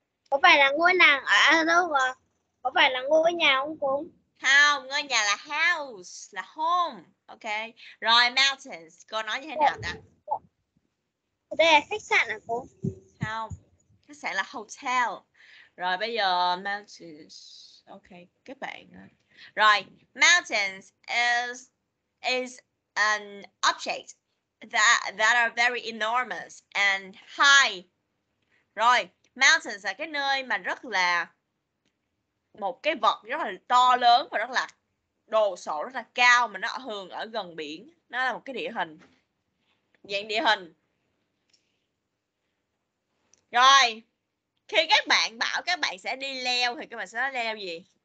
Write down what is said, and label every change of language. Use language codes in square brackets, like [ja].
[vi] Có phải là ngôi làng ở đâu mà? Có phải là ngôi nhà không cũng? Không, ngôi nhà là house, là home. Okay. Rồi mountains, cô nói như thế nào ta? Đây là khách sạn à cô? Không, khách sạn là hotel. Rồi bây giờ mountains. Okay, các bạn. [en] Rồi, mountains is an object that are very enormous and high. [vi] Rồi, mountains là cái nơi mà rất là một cái vật rất là to lớn và rất là đồ sộ, rất là cao mà nó thường ở gần biển. Nó là một cái địa hình, dạng địa hình. Rồi, khi các bạn bảo các bạn sẽ đi leo thì các bạn sẽ nói leo gì?